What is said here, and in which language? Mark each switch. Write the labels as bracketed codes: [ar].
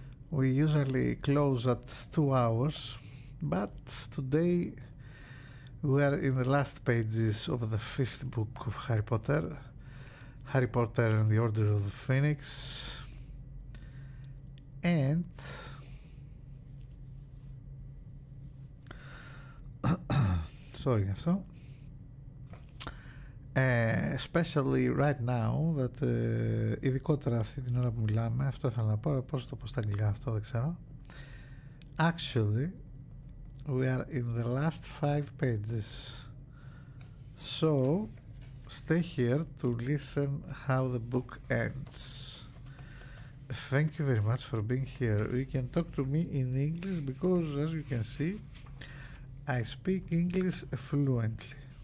[en] We usually close at 2 hours, but today we are in the last pages of the 5th book of Harry Potter, Harry Potter and the Order of the Phoenix, and sorry, αυτό. Especially right now, that [el] ειδικότερα αυτή την ώρα που μιλάμε, αυτό ήθελα να πω, πώς το πω στα αγγλικά αυτό, δεν ξέρω. [en] Actually, we are in the last 5 pages. So, stay here to listen how the book ends. Thank you very much for being here. You can talk to me in English because, as you can see, I speak English fluently.